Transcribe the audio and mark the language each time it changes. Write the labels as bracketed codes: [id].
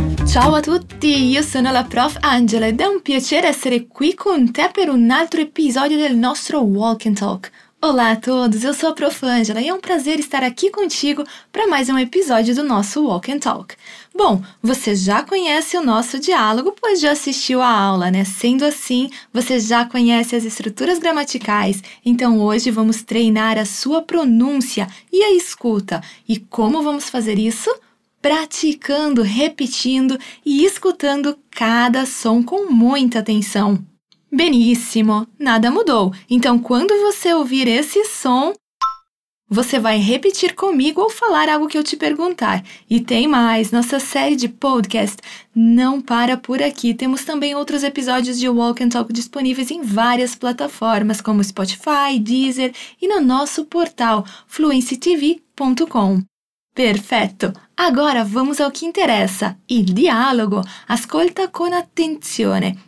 [it] Ciao a tutti, io sono la Prof. Angela ed è un piacere essere qui con te per un altro episodio del nostro Walk and Talk. [pt] Olá a todos, eu sou a Prof. Angela e é um prazer estar aqui contigo para mais um episódio do nosso Walk and Talk. Bom, você já conhece o nosso diálogo, pois já assistiu a aula, né? Sendo assim, você já conhece as estruturas gramaticais, então hoje vamos treinar a sua pronúncia e a escuta. E como vamos fazer isso? Praticando, repetindo e escutando cada som com muita atenção. Beníssimo! Nada mudou. Então, quando você ouvir esse som, você vai repetir comigo ou falar algo que eu te perguntar. E tem mais! Nossa série de podcast não para por aqui. Temos também outros episódios de Walk and Talk disponíveis em várias plataformas, como Spotify, Deezer e no nosso portal fluencytv.com. Perfetto! Agora vamos ao que interessa, [it] il dialogo. Ascolta con attenzione.